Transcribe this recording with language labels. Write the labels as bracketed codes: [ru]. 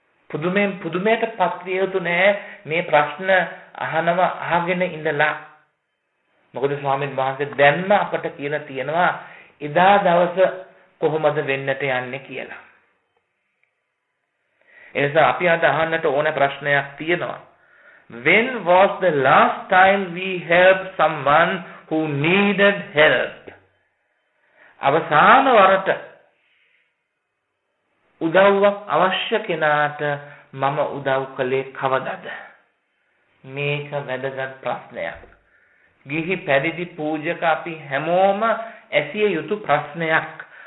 [si] පුදුමෙන් පුදුමයට පත් විය යුතු නැහැ මේ ප්‍රශ්න අහනවා අහගෙන ඉඳලා. මොකද ස්වාමීන් වහන්සේ දැන්ම අපට කියලා තියෙනවා එදා දවස කොහොමද වෙන්නට යන්නේ කියලා. එනිසා අපි අද අහන්නට ඕන ප්‍රශ්නයක් තියෙනවා. [en] When was the last time we helped someone who needed help? [si] අවසාන වරට උදව්වක් අවශ්‍ය කෙනාට මම උදව් කළේ කවදද? මේක වැදගත් ප්‍රශ්නයක්. ගිහි පැවිදි පූජක අපි හැමෝම ඇසිය යුතු ප්‍රශ්නයක්.